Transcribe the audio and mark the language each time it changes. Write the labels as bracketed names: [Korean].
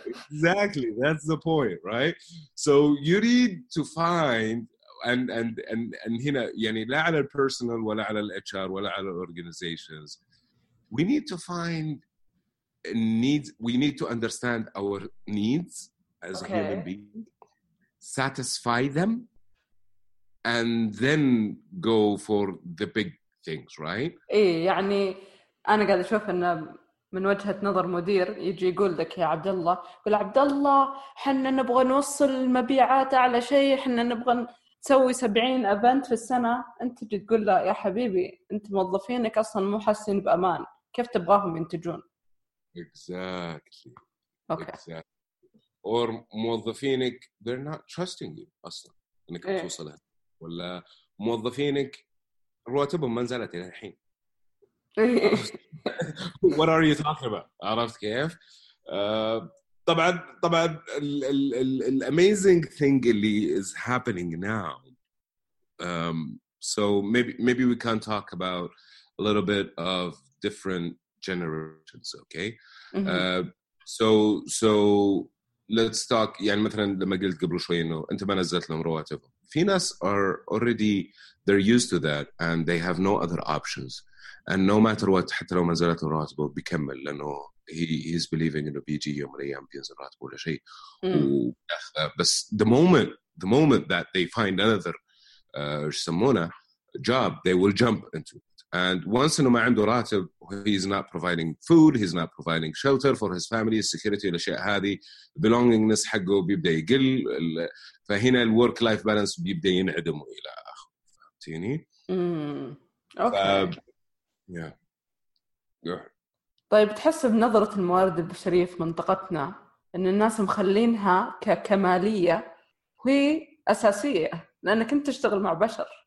[English] Exactly, that's the point, right? So you need to find and [Arabic] هنا يعني لا على [English] personal ولا على HR ولا على organizations. We need to find needs. We need to understand our needs as a human being. Satisfy them and then go for the big things, right? [Arabic] إيه يعني أنا قاعد أشوف إنه من وجهة نظر مدير يجي يقول لك يا عبد الله، يقول عبد الله حنا نبغى نوصل المبيعات على شيء، حنا نبغى نسوي 70 أبنت في السنة، أنت تجي تقول له يا حبيبي أنت موظفينك أصلاً مو حاسين بأمان، كيف تبغاهم ينتجون؟ [English] Exactly. Okay. Exactly. Or موظفينك they're not trusting you [Arabic] أصلاً إنك إيه. توصلها، ولا موظفينك رواتبهم ما نزلت إلى الحين. [English] What are you talking about? [Arabic] عرفت كيف؟ طبعاً ال [English] amazing thing [Arabic] اللي [English] is happening now. So maybe we can talk about a little bit of different generations, okay? So let's talk. [Arabic] يعني مثلاً لما قلت قبل شوي إنه أنت ما نزلت لهم رواتبهم. [English] Finas are already they're used to that and they have no other options. And no matter what, [Arabic] حتى لو ما نزلت الراتب بيكمل لأنه [English] he's believing [Arabic] إنه بيجي يوم من الأيام بينزل الراتب ولا شيء. [English] بس the moment that they find another [Arabic] يسمونه [English] job, they will jump into it. And once إنه [Arabic] ما عنده راتب, [English] he's not providing food, he's not providing shelter for his family, security, [Arabic] الأشياء هذه, [English] belongingness [Arabic] حقه بيبدأ يقل. فهنا ال work life balance بيبدأ ينعدم إلى آخر. فهمتيني؟ [English] Okay. Yeah. [Arabic] طيب تحس بنظرة الموارد البشرية في منطقتنا أن الناس مخلينها ككمالية هي أساسية لأنك أنت تشتغل مع بشر.